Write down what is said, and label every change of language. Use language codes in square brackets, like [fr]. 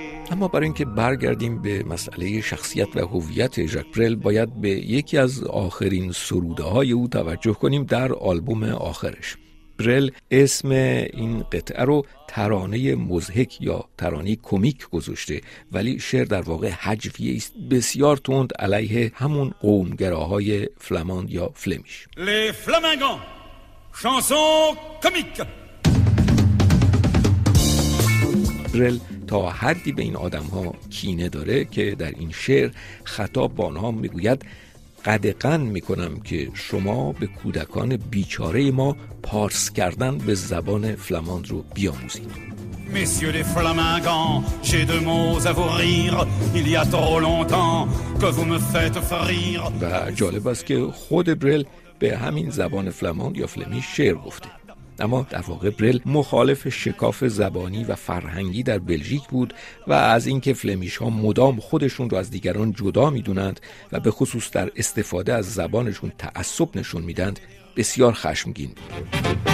[fa] اما برای اینکه برگردیم به مسئله شخصیت و هویت ژاک برل، باید به یکی از آخرین سروده‌های او توجه کنیم در آلبوم آخرش. برل اسم این قطعه رو ترانه مضحک یا ترانه کومیک گذاشته، ولی شعر در واقع هجویه است بسیار تند علیه همون قومگراهای فلاماند یا فلمیش. [fr] Les Flamingons, chanson comique. [fa] برل تا حدی به این آدم‌ها کینه داره که در این شعر خطاب با آنها میگوید قدغن میکنم که شما به کودکان بیچاره ما پارس کردن به زبان فلاماند رو بیاموزید. [fr] Messieurs les flamingants, j'ai deux mots à vous rire. Il y a trop longtemps que vous me faites frire. [fa] و جالب است که خود برل به همین زبان فلاماند یا فلمی شعر گفته. اما در واقع برل مخالف شکاف زبانی و فرهنگی در بلژیک بود و از اینکه فلمیش ها مدام خودشون رو از دیگران جدا میدونند و به خصوص در استفاده از زبانشون تعصب نشون میدند بسیار خشمگین بود.